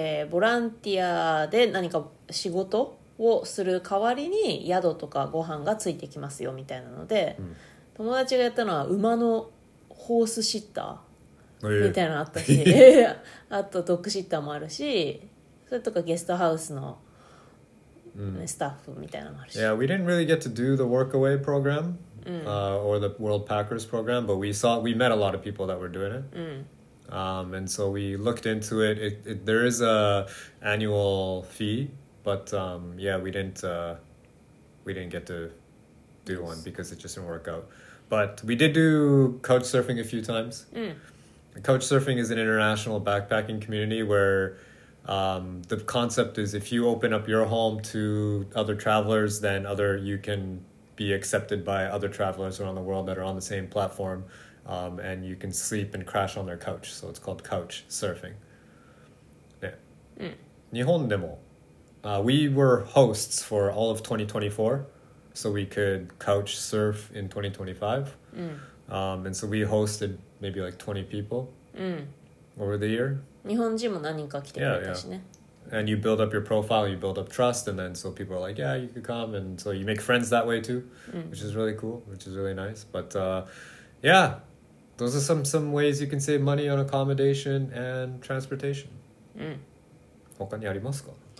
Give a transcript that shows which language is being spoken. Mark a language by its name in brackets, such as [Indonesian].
[Japanese] ボランティアで何か仕事をする代わりに宿とかご飯がついてきますよみたいなので、うん、友達がやったのは馬のホースシッターみたいなのあったし、あとドッグシッターもあるし、それとかゲストハウスの、ね、うん、スタッフみたいなのもあるし。 [English] Yeah, we didn't really get to do the workaway program、 [Japanese] うん、 [English] or the World Packers program, but we met a lot of people that were doing it.、 [Japanese] うん、 [English] and so we looked into it. It there is a annual fee, but、yeah, we didn't get to do one because it just didn't work out. But we did do couch surfing a few times.、 [Japanese] うん、 [English] Couchsurfing is an international backpacking community where、the concept is if you open up your home to other travelers, then you can be accepted by other travelers around the world that are on the same platform、and you can sleep and crash on their couch. So it's called couchsurfing.、Yeah. Mm. [Japanese] 日本でも、 [English] we were hosts for all of 2024, so we could couchsurf in 2025.、Mm. And so we hosted... Maybe like 20 people、 [Japanese] うん、 [English] over the year. [Japanese] 日本人も何人か来てくれたしね。 [English] Yeah, yeah. And you build up your profile, you build up trust, and then so people are like, yeah, you can come, and so you make friends that way too,、 [Japanese] うん、 [English] which is really cool, which is really nice. But、yeah, those are some ways you can save money on accommodation and transportation.、 [Japanese] うん、他にありますか？